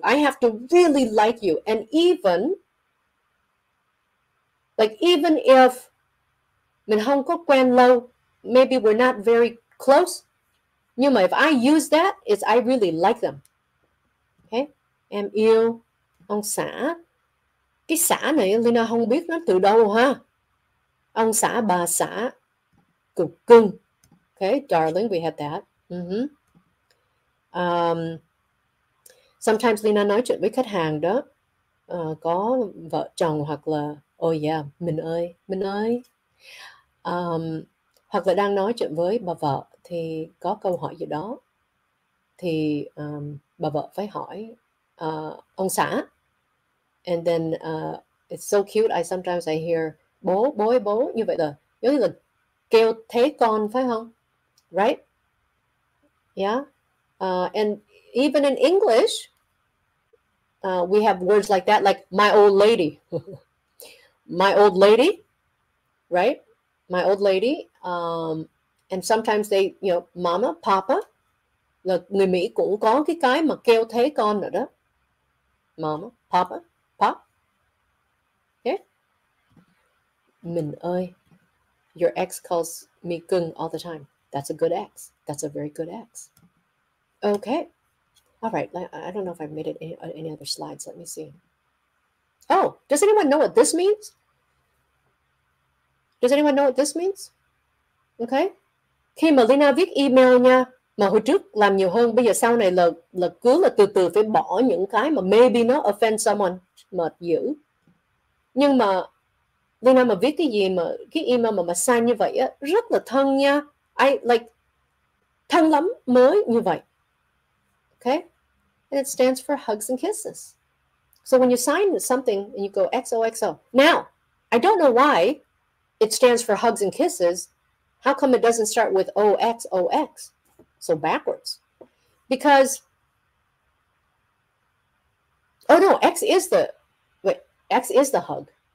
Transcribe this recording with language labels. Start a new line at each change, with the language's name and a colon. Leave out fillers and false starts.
English: I have to really like you. And even if
Vietnamese: mình không có quen lâu,
English: maybe we're not very close.
Vietnamese: Nhưng mà
English: if I use that, it's I really like them.
Vietnamese: Em yêu ông xã. Cái xã này Lina không biết nó từ đâu ha. Ông xã, bà xã, cục cưng.
English: Okay, darling, we had that. Mm-hmm.
Vietnamese: Sometimes Lina nói chuyện với khách hàng đó. Có vợ chồng hoặc là,
English: oh yeah,
Vietnamese: mình ơi, mình ơi. Hoặc là đang nói chuyện với bà vợ thì có câu hỏi gì đó. Thì bà vợ phải hỏi ông xã.
English: And then it's so cute. I sometimes I hear
Vietnamese: bố bố ấy bố như vậy rồi, giống như là kêu thế con phải không?
English: Right? Yeah. And even in English, we have words like that, like my old lady. My old lady, right? My old lady. And sometimes they, mama, papa,
Vietnamese: là người Mỹ cũng có cái mà kêu thế con nữa đó.
English: Mama, papa, pop.
Vietnamese: Mình ơi,
English: your ex calls me
Vietnamese: cưng
English: all the time. That's a good ex. That's a very good ex. Okay. All right. I don't know if I've made it any other slides. Let me see. Oh, does anyone know what this means? Does anyone know what this means? Okay.
Vietnamese: Khi mà Lina viết email nha, mà hồi trước làm nhiều hơn, bây giờ sau này là cứ là từ từ phải bỏ những cái mà
English: maybe
Vietnamese: nó
English: offend someone,
Vietnamese: mệt dữ. Nhưng mà Lina mà viết cái gì mà cái email mà sai như vậy á, rất là thân nha.
English: I like
Vietnamese: thân lắm mới như vậy.
English: Okay? And it stands for hugs and kisses. So when you sign something and you go XOXO. Now, I don't know why it stands for hugs and kisses. How come it doesn't start with OXOX? So backwards. Because, oh no, X is the, wait, X is the hug.